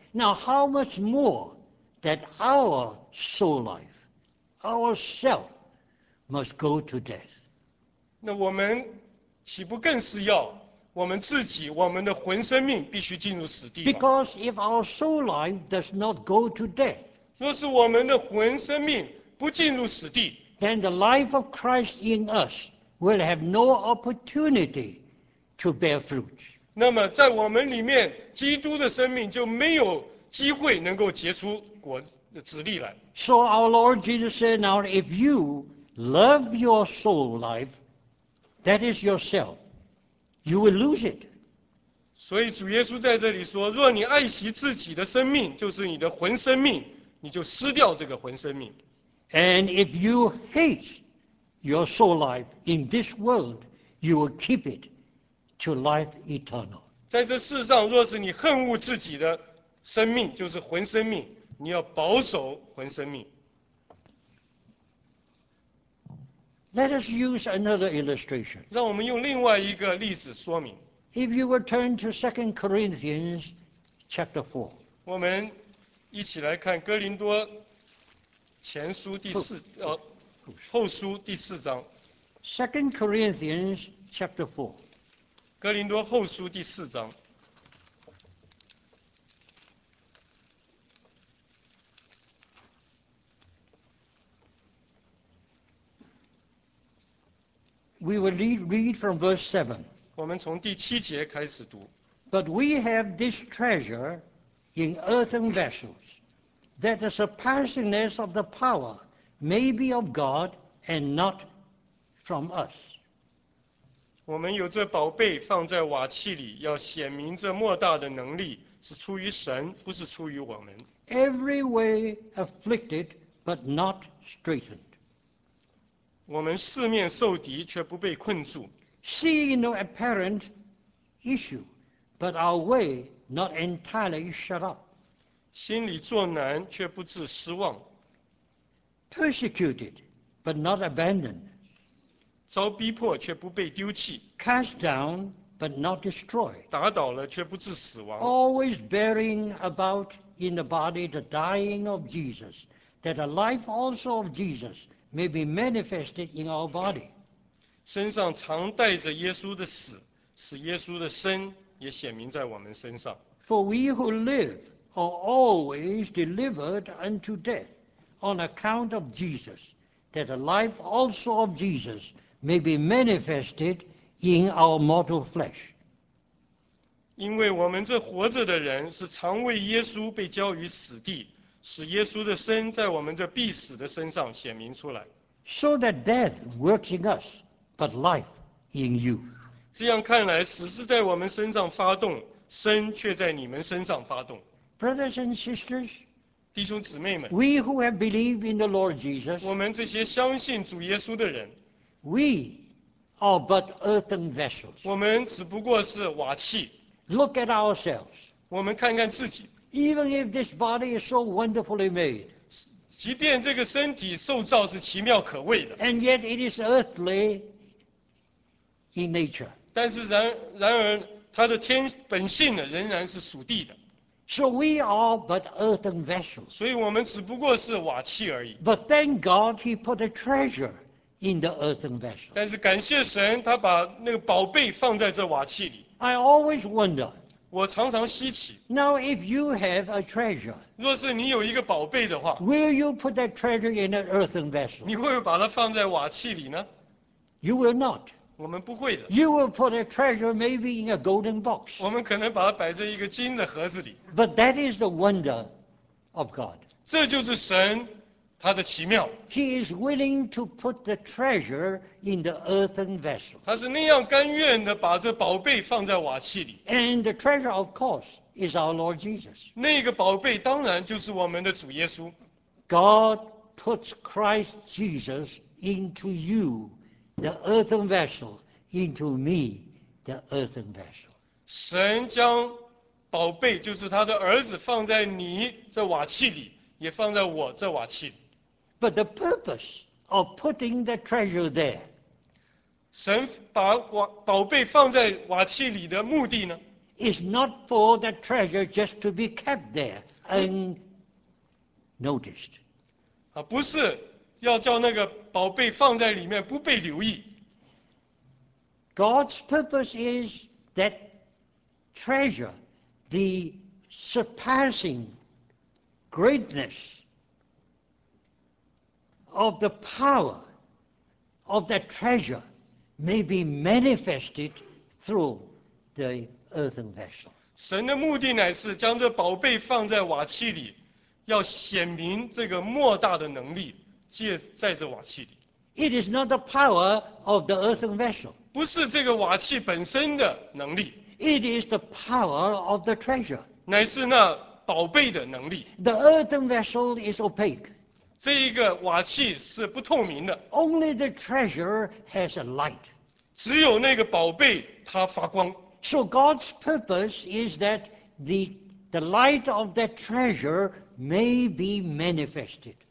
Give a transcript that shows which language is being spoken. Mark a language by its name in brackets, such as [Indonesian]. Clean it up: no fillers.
[English] Now, how much more that our soul life, our self, must go to death. [Chinese] 那我们岂不更是要我们自己、我们的魂生命必须进入死地吗 [English] ？Because if our soul life does not go to death, [Chinese] 若是我们的魂生命不进入死地 [English] ，then the life of Christ in us will have no opportunity to bear fruit. [Chinese] 那么在我们里面，基督的生命就没有机会能够结出果子粒来。 [English] So our Lord Jesus said, "Now if you love your soul life." That is yourself. You will lose it. [Chinese] 所以主耶稣在这里说，若你爱惜自己的生命，就是你的魂生命，你就失掉这个魂生命。 [English] And if you hate your soul life in this world, you will keep it to life eternal. [Chinese] 在这世上，若是你恨恶自己的生命，就是魂生命，你要保守魂生命。 [English] Let us use another illustration. [Chinese] 让我们用另外一个例子说明。 [English] If you will turn to 2 Corinthians chapter 4. [Chinese] 我们一起来看哥林多前书第四后书第四章。 [English] 2 Corinthians chapter 4. [Chinese] 哥林多后书第四章。 [English] We will read from verse 7. [Chinese] 我们从第七节开始读。 [English] But we have this treasure in earthen vessels, that the surpassingness of the power may be of God and not from us. [Chinese] 我们有这宝贝放在瓦器里，要显明这莫大的能力是出于神，不是出于我们。 [English] Every way afflicted, but not straitened. [Chinese] 我们四面受敌，却不被困住。 [English] Seeing no apparent issue, but our way not entirely shut up. [Chinese] 心里作难，却不致失望。 [English] Persecuted, but not abandoned. [Chinese] 遭逼迫，却不被丢弃。 [English] Cast down, but not destroyed. [Chinese] 打倒了，却不致死亡。 [English] Always bearing about in the body the dying of Jesus, that the life also of Jesus. May be manifested in our body. [Chinese] 身上常带着耶稣的死，使耶稣的生也显明在我们身上。 [English] For we who live are always delivered unto death on account of Jesus, that the life also of Jesus may be manifested in our mortal flesh. [Chinese] 因为我们这活着的人是常为耶稣被交于死地。使耶稣的身在我们这必死的身上显明出来。 [English] So that death works in us, but life in you. [Chinese] 这样看来，死是在我们身上发动，生却在你们身上发动。 [English] Brothers and sisters, [Chinese] 弟兄姊妹们 [English] ，We who have believed in the Lord Jesus, [Chinese] 我们这些相信主耶稣的人 [English] ，We are but earthen vessels. [Chinese] 我们只不过是瓦器。 [English] Look at ourselves. [Chinese] 我们看看自己。 [English] Even if this body is so wonderfully made, [Chinese] 即便这个身体受造是奇妙可畏的 [English] ，and yet it is earthly in nature. [Chinese] 但是然而，它的天本性呢，仍然是属地的。 [English] So we are but earthen vessels. [Chinese] 所以我们只不过是瓦器而已。 [English] But thank God, He put a treasure in the earthen vessel. [Chinese] 但是感谢神，他把那个宝贝放在这瓦器里。 [English] I always wonder. [Chinese] 我常常稀奇。 [English] Now, if you have a treasure, [Chinese] 若是你有一个宝贝的话 [English] ，Will you put that treasure in an earthen vessel? [Chinese] 你会把它放在瓦器里呢 [English] ？You will not. [Chinese] 我们不会的。 [English] You will put a treasure maybe in a golden box. [Chinese] 我们可能把它摆在一个金的盒子里。 [English] But that is the wonder of God. [Chinese] 这就是神他的奇妙。 [English] He is willing to put the treasure in the earthen vessel. [Chinese] 他是那样甘愿的把这宝贝放在瓦器里。 [English] And the treasure, of course, is our Lord Jesus. [Chinese] 那个宝贝当然就是我们的主耶稣。 [English] God puts Christ Jesus into you, the earthen vessel, into me, the earthen vessel. [Chinese] 神将宝贝就是他的儿子放在你这瓦器里，也放在我这瓦器里。 [English] But the purpose of putting the treasure there, [Chinese] 神把宝贝放在瓦器里的目的呢 [English] ，is not for the treasure just to be kept there and noticed. [Chinese] 啊，不是要叫那个宝贝放在里面不被留意。 [English] God's purpose is that treasure, the surpassing greatness of the power of that treasure may be manifested through the earthen vessel. [Chinese] 神的目的乃是将这宝贝放在瓦器里，要显明这个莫大的能力，借在这瓦器里。 [English] It is not the power of the earthen vessel. [Chinese] 不是这个瓦器本身的能力。 [English] It is the power of the treasure. [Chinese] 乃是那宝贝的能力。 [English] The earthen vessel is opaque. [Chinese] 这一个瓦器是不透明的。 [English] Only the treasure has a light. [Chinese] 只有那个宝贝它发光。 [English] So God's purpose is that the light of that treasure may be manifested.